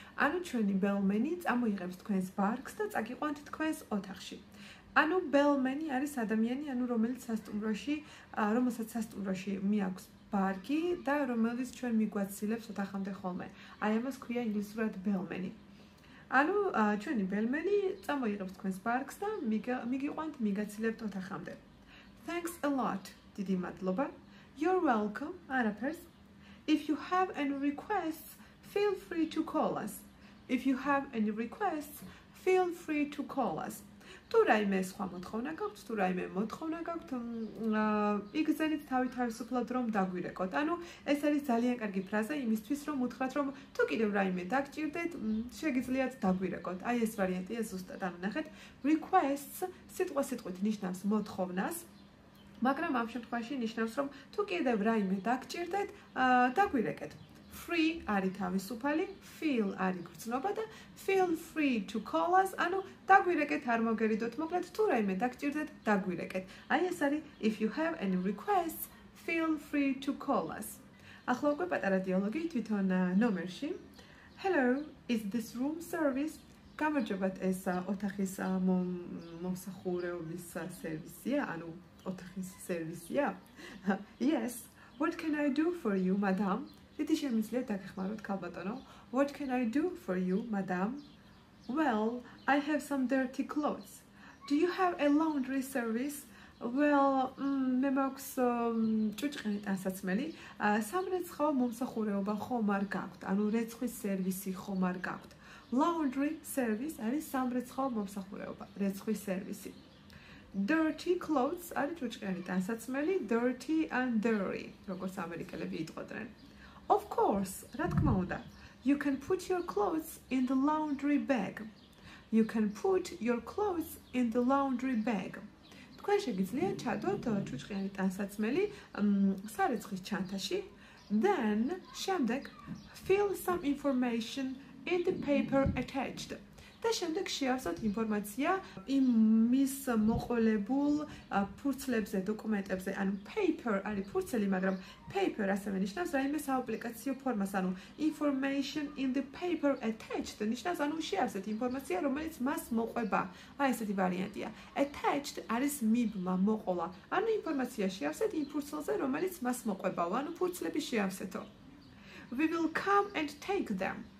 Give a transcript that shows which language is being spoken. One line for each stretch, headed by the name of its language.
Georgian: ანუ ჩვენი bellman-ი წამოიღებს თქვენს ბარგს და წაგიყვანთ თქვენს ოთახში. ანუ bellman-ი არის ადამიანი, ანუ რომელსაც სასტუმროში მიაქვს ბარგი და რომელიც ჩვენ მიგვაცილებს ოთახამდე ხოლმე. აი ამას ქვია ინგლისურად bellman-ი. ანუ ჩვენი bellman-ი წამოიღებს თქვენს ბარგს და მიგიყვანთ, მიგაცილებთ ოთახამდე.
English: Thanks a lot.
Georgian: დიდი მადლობა.
English: You're welcome. Arapers. If you have any requests, feel free to call us. If you have any requests, feel free to call us.
Georgian: თუ რაიმე სხვა მოთხოვნა გაქვთ, თუ რაიმე მოთხოვნა გაქვთ, იგზავნით თავი თავისუფლად რომ დაგვირეკოთ. ანუ ეს არის ძალიან კარგი ფრაზა იმისთვის, რომ უთხრათ რომ თუ კიდევ რაიმე დაგჭირდეთ, შეგიძლიათ დაგვირეკოთ. აი ეს ვარიანტია ზუსტად. ანუ ნახეთ, requests სიტყვა-სიტყვით ნიშნავს მოთხოვნას, მაგრამ ამ შემთხვევაში ნიშნავს რომ თუ კიდევ რაიმე დაგჭირდეთ, დაგვირეკეთ. Free არის თავისუფალი, feel არის გრძნობა და
English: feel free to call us,
Georgian: ანუ დაგვირეკეთ, არ მოგერიდოთ, მოკლედ თუ რაიმე დაგჭირდეთ, დაგვირეკეთ.
English: აი ეს არის if you have any requests, feel free to call us.
Georgian: ახლა უკვე პატარა დიალოგი თვითონ ნომერში.
English: Hello, is this room service?
Georgian: გამარჯობათ, ეს ოთახის მომსახურეობის სერვისია, ანუ ოთახის სერვისია? Yes,
English: What can I do for you, madam?
Georgian: Diti shemizle dakhmarot kalbatono.
English: What can I do for you, madam? Well, I have some dirty clothes. Do you have a laundry service?
Georgian: Well, მე მაქვს ჭუჭყინი ტანსაცმელი, სამრეცხაო მომსახურეობა ხომ არ გაქვთ, ანუ რეცხვის სერვისი ხომ არ გაქვთ. Laundry service არის სამრეცხაო მომსახურეობა, რეცხვის სერვისი. Dirty clothes არის ჭუჭყინი ტანსაცმელი, dirty and dirty, როგორც ამერიკელები იტყოდნენ.
English: Of course,
Georgian: რა თქმა უნდა.
English: You can put your clothes in the laundry bag. You can put your clothes in the laundry bag.
Georgian: თქვენ შეგიძლია ჩადოთ ჭუჭყიანი ტანსაცმელი სარეცხვის ჩანთაში.
English: Then,
Georgian: შემდეგ,
English: fill some information in the paper attached.
Georgian: და შემდეგ შეავსოთ ინფორმაცია იმის მოყოლებულ ფურცლებზე, დოკუმენტებზე, ანუ paper არის ფურცელი, მაგრამ paper ასევე ნიშნავს რაიმე საუპლიკაციო ფორმას, ანუ
English: information in the paper attached
Georgian: ნიშნავს, ანუ შეავსეთ ინფორმაცია, რომელიც მას მოყვება. აი ესეთი ვარიანტია. Attached არის მიბმა, მოყოლა. ანუ ინფორმაცია შეავსეთ იმ ფურცელზე, რომელიც მას მოყვებაო, ანუ ფურცლები შეავსეთო.
English: We will come and take them.